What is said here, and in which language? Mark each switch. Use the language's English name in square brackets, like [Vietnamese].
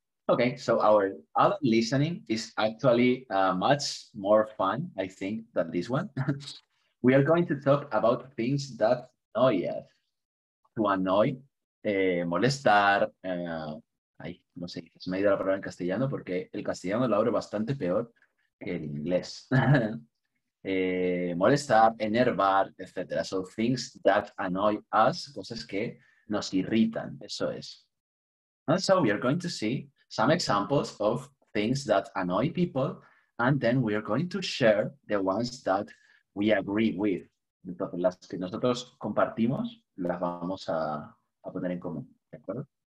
[English] Okay, so our other listening is actually much more fun, I think, than this one. We are going to talk about things that annoy us. [Spanish] To annoy, molestar, ay, no sé, se me ha ido la palabra en castellano porque el castellano lo abre bastante peor que el inglés. molestar, enervar, etc. So things that annoy us, cosas que nos irritan, eso es. [English] And so we are going to see some examples of things that annoy people, and then we are going to share the ones that we agree with. [Spanish] Entonces, las que nosotros compartimos, las vamos a poner en común, ¿de acuerdo?